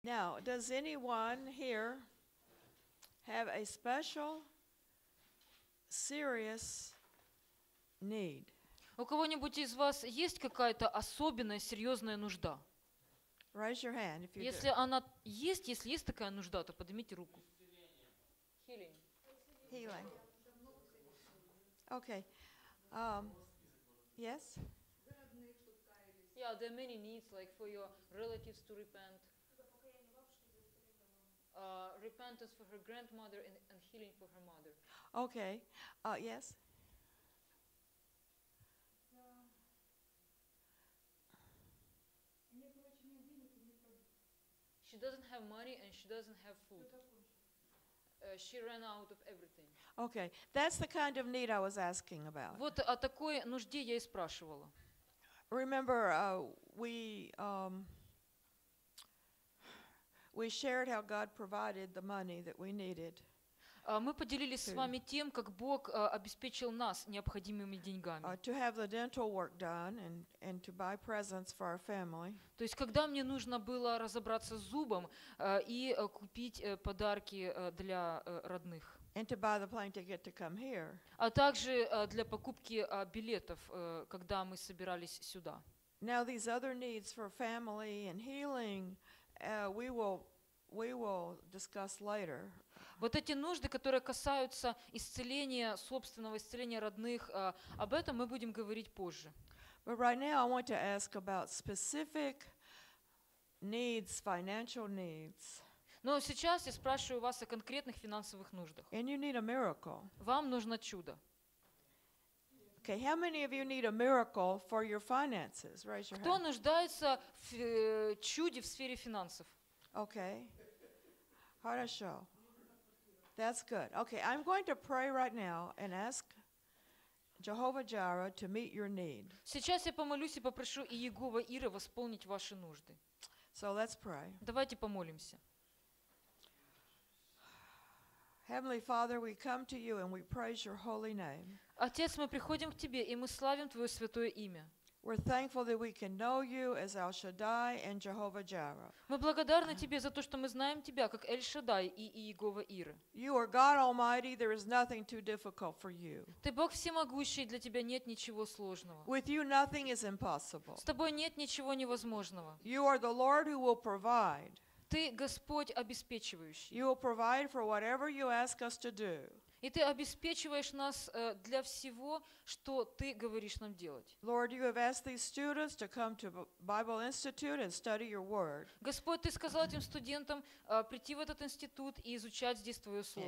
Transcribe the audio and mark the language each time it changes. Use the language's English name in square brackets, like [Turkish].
[English] Now, does anyone here have a special, serious need? [Russian] У кого-нибудь из вас есть какая-то особенная, серьезная нужда? [English] Raise your hand if you do. [Russian] Если она есть, если есть такая нужда, то поднимите руку. [English] Healing. Okay. Yes? Yeah, there are many needs, like for your relatives to repent. Repentance for her grandmother and healing for her mother. Okay. Yes? She doesn't have money and she doesn't have food. She ran out of everything. Okay. That's the kind of need I was asking about. [Russian] Вот о такой нужде я и спрашивала. [English] Remember, we shared how God provided the money that we needed. [Russian] Мы поделились с вами тем, как Бог обеспечил нас необходимыми деньгами. [English] To have the dental work done and to buy presents for our family. [Russian] То есть, когда мне нужно было разобраться с зубом и купить подарки для родных. [English] And to buy the plane ticket to come here. [Russian] А также для покупки билетов, когда мы собирались сюда. [English] Now these other needs for family and healing, we will discuss later. [Russian] Вот эти нужды, которые касаются исцеления собственного, исцеления родных, об этом мы будем говорить позже. [English] But right now I want to ask about specific needs, financial needs. [Russian] Но сейчас я спрашиваю вас о конкретных финансовых нуждах. [English] And you need a miracle. [Russian] Вам нужно чудо. [English] Okay, how many of you need a miracle for your finances? Raise your hand. [Russian] Кто нуждается в чуде в сфере финансов? [English] Okay. [Russian] Хорошо. [English] That's good. Okay, I'm going to pray right now and ask Jehovah Jireh to meet your need. [Russian] Сейчас я помолюсь и попрошу Иегова Ира восполнить ваши нужды. [English] So let's pray. [Russian] Давайте помолимся. [English] Heavenly Father, we come to you and we praise your holy name. [Russian] Отец, мы приходим к тебе и мы славим твое святое имя. [English] We're thankful that we can know you as El Shaddai and Jehovah Jireh. [Russian] Мы благодарны тебе за то, что мы знаем тебя как Эль-Шадай и Иегова Ира. [English] You are God Almighty, there is nothing too difficult for you. [Russian] Ты Бог всемогущий, для тебя нет ничего сложного. [English] With you nothing is impossible. [Russian] С тобой нет ничего невозможного. [English] You are the Lord who will provide. [Russian] Ты Господь обеспечивающий. [English] You will provide for whatever you ask us to do. [Russian] И ты обеспечиваешь нас для всего, что ты говоришь нам делать. [English] Lord, you have asked these students to come to Bible Institute and study your word. [Russian] Господь, ты сказал этим студентам прийти в этот институт и изучать здесь твое слово.